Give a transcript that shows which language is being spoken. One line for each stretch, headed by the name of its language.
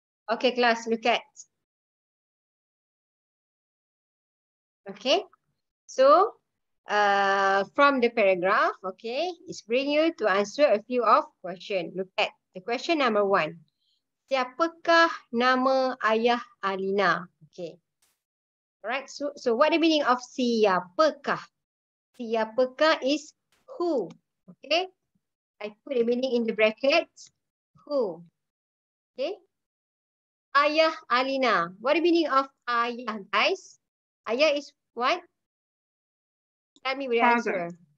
English: Okay, class, look at. Okay, so from the paragraph, okay, it's bring you to answer a few of question. Look at the question number one.
Indonesian: Siapakah nama ayah Alina?
English: Okay. Alright, so what the meaning of siapakah? Siapakah is who, okay? I put the meaning in the brackets, who, okay? Ayah Alina, what the meaning of ayah, guys? Ayah is what? Tell me the answer.